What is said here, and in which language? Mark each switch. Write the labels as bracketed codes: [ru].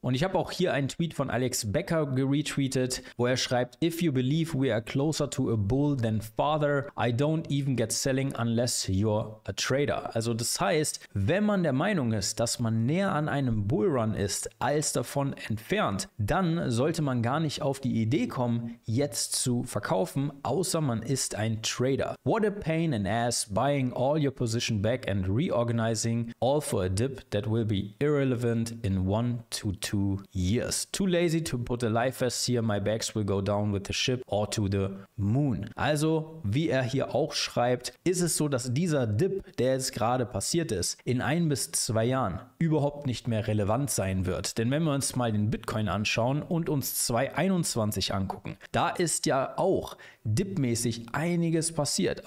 [de] Und ich habe auch hier einen Tweet von Alex Becker geretweetet, wo er schreibt: [en] If you believe we are closer to a bull than father, I don't even get selling unless you're a trader. [de] Also das heißt, wenn man der Meinung ist, dass man näher an einem Bullrun ist, als davon entfernt, dann sollte man gar nicht auf die Idee kommen, jetzt zu verkaufen, außer man ist ein Trader. [en] What a pain in ass buying all your position back and reorganizing all for a dip that will be irrelevant in 1 to 2 years. Too lazy to put a life vest here, my bags will go down with the ship or to the moon. [de] Also, wie er hier auch schreibt, ist es so, dass dieser Dip, der jetzt gerade passiert ist, in 1 bis 2 Jahren überhaupt nicht mehr relevant sein wird. Denn wenn wir uns mal den Bitcoin anschauen und uns 2021 angucken, da ist ja auch dipmäßig einiges passiert.